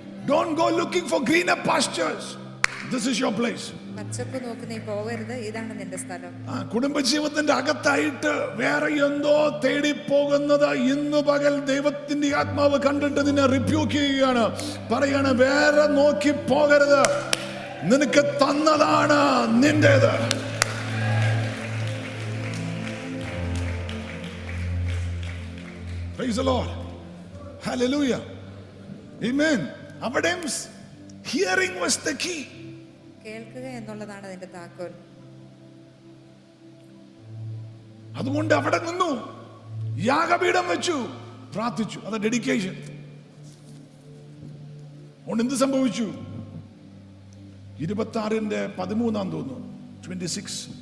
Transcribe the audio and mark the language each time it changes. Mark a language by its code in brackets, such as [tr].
[en] Don't go looking for greener pastures. This is your place. [ml] പച്ചപ്പ് നോക്കി നീ പോകരുത്, ഇതാണ് നിന്റെ സ്ഥലം. ആ കുടുംബജീവിതത്തിന്റെ അകത്തായിട്ട് വേറെ എന്തോ തേടി പോകുന്നത് ഇന്ന് പകൽ ദൈവത്തിന്റെ ആത്മാവ് കണ്ടിട്ട് നിന്നെ റിപ്യൂക്ക് ചെയ്യുകയാണ്, പറയാണ്, വേറെ നോക്കി പോകരുത്, നിനക്ക് തന്നതാണ് നിന്റേത്. [en] Praise the Lord. Hallelujah. Amen. Avadem, hearing was the key. [ml] കേൾക്കുക എന്നുള്ളതാണ് അതിന്റെ താക്കോൽ. അതുകൊണ്ട് അവിടെ നിന്നു യാഗപീഠം വെച്ചു, പ്രാർത്ഥിച്ചു. അത് ഡെഡിക്കേഷൻ. അതുകൊണ്ട് എന്ത് സംഭവിച്ചു? 26:13 തോന്നുന്നു. 26